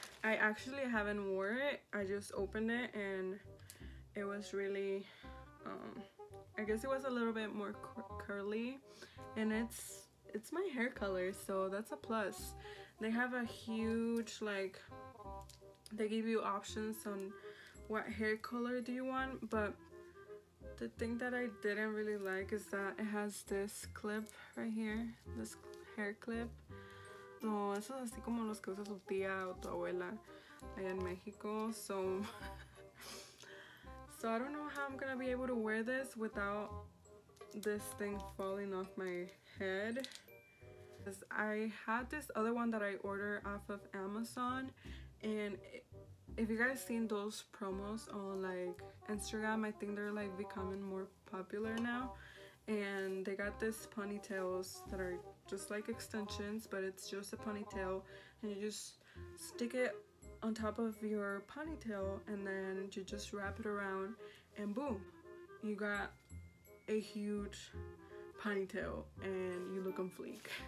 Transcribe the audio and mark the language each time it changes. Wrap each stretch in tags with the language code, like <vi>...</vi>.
<en>I actually haven't worn it. I just opened it and it was really, I guess it was a little bit more curly, and it's my hair color, so that's a plus. They have a huge, like, they give you options on what hair color do you want, but the thing that I didn't really like is that it has this clip right here, this hair clip.</en> <es>So, eso es así como los que usa su tía o tu abuela allá en México.</es> <en>So I don't know how I'm gonna be able to wear this without this thing falling off my head. I had this other one that I ordered off of Amazon, and if you guys seen those promos on like Instagram, I think they're like becoming more popular now, and they got this ponytails that are just like extensions, but it's just a ponytail, and you just stick it on top of your ponytail and then you just wrap it around and boom, you got a huge ponytail and you look on fleek.</en>